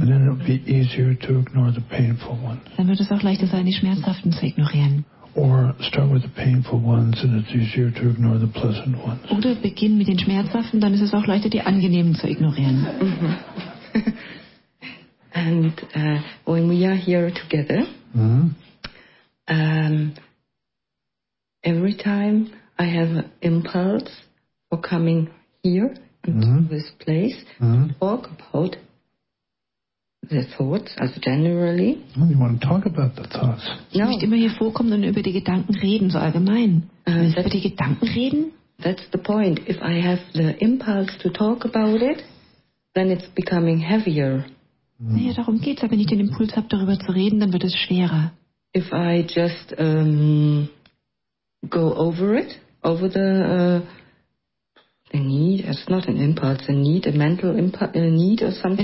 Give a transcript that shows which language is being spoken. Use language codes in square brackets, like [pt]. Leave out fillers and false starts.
[en] And then it'll be easier to ignore the painful ones. [de] Dann wird es auch leichter sein, die schmerzhaften zu ignorieren. [en] Or start with the painful ones and it's easier to ignore the pleasant ones. [de] Oder beginn mit den schmerzhaften, dann ist es auch leichter, die angenehmen zu ignorieren. [en] And when we are here together, every time I have an impulse for coming here into this place to talk about the thoughts, as generally. Well, you want to talk about the thoughts? No. [de] Ich möchte immer hier vorkommen und über die Gedanken reden, so allgemein. Über die Gedanken reden? [en] That's the point. If I have the impulse to talk about it, then it's becoming heavier. [de] Naja, darum geht's. Aber wenn ich den Impuls habe, darüber zu reden, dann wird es schwerer. [en] If I just go over it, over the A need, it's not an impulse, a need, a mental impulse, a need or something.